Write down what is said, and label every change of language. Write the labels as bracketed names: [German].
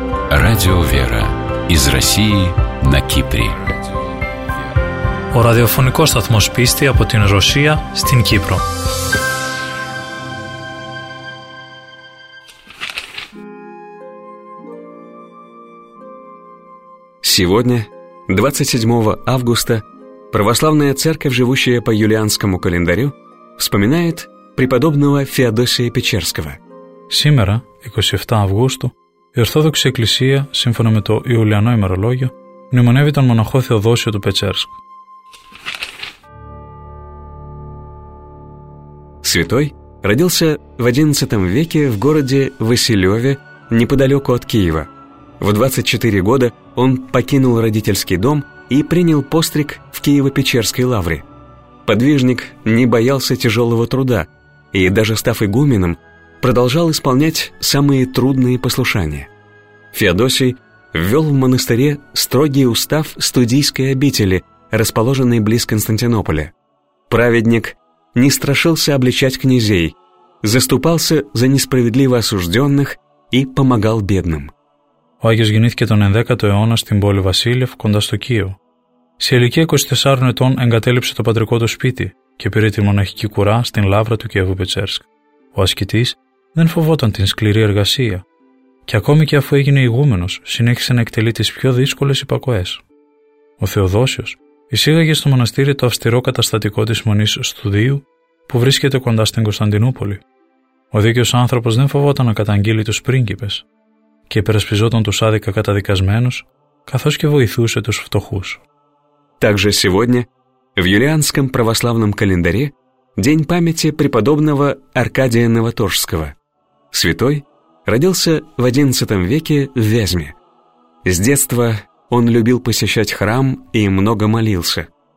[Russian] Радио «Вера» из России на Кипре. [Greek] Ο ραδιοφωνικός σταθμός πίστη από την Ρωσία στην Κύπρο. [Russian] Сегодня, 27 августа, православная церковь, живущая по юлианскому календарю, вспоминает преподобного Феодосия Печерского. Сегодня, 27 августа, [Greek] η Ορθόδοξη Εκκλησία, σύμφωνα με το Ιουλιανό ημερολόγιο, μνημονεύει τον μοναχό Θεοδόσιο του Πετσέρσκ. [Russian] Святой родился в 11 веке в городе Василеве, неподалеку от Киева. В 24 года он покинул родительский дом и принял постриг в Киево-Печерской лавре. Подвижник не боялся тяжелого труда и, даже став игуменом, продолжал исполнять самые трудные послушания. Феодосий ввел в монастыре строгий устав студийской обители, расположенной близ Константинополя. Праведник не страшился обличать князей, заступался за несправедливо осужденных и помогал бедным. [Greek] Ο Άγιος γεννήθηκε τον 10ο αιώνα στην πόλη Βασίλευ, κοντά στο Κίο. Σε ηλικία 24 ετών εγκατέλειψε το πατρικό του σπίτι και πήρε τη μοναχική κουρά στην λαύρα του Κιεβού Πετσέρσκ. Ο ασκητής δεν φοβόταν την σκληρή εργασία και ακόμη και αφού έγινε ηγούμενος, συνέχισε να εκτελεί τις πιο δύσκολες υπακοές. Ο Θεοδόσιος εισήγαγε στο μοναστήρι το αυστηρό καταστατικό της μονής Στουδίου που βρίσκεται κοντά στην Κωνσταντινούπολη. Ο δίκαιος άνθρωπος δεν φοβόταν να καταγγείλει τους πρίγκιπες και υπερασπιζόταν τους άδικα καταδικασμένους, καθώς και βοηθούσε τους φτωχούς. [Russian] Также сегодня в юлианском православном календаре день памяти преподобного Аркадия Новоторжского. Святой родился в 11 веке в Вязьме. С детства он любил посещать храм и много молился.